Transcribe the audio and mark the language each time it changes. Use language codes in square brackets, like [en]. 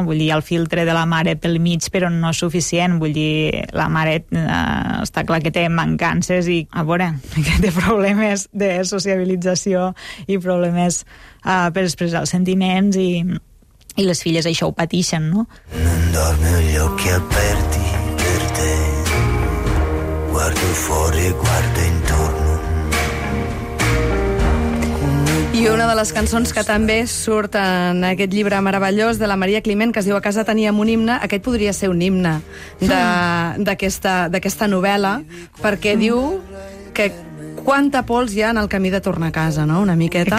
[ca] Vull dir, el filtre de la mare pel mig, però no és suficient. Vull dir, la mare està clar que té mancances i, a veure, que té problemes de sociabilització i problemes per expressar els sentiments i les filles això ho pateixen, no? [it] Non dorme gli occhi aperti per te. Guardo fuori, guardo intorno. [ca] I una de les cançons que també surt en aquest llibre meravellós de la Maria Climent, que es diu A casa teníem un himne, aquest podria ser un himne d'aquesta novel·la, perquè diu que quanta pols hi ha en el camí de tornar a casa, no? Una miqueta.